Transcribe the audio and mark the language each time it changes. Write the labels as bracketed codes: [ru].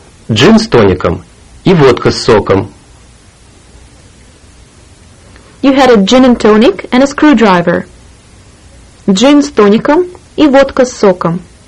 [ru] Джин с тоником и водка с соком. [en] You had a gin and tonic and a screwdriver. [ru] Джин с тоником и водка с соком.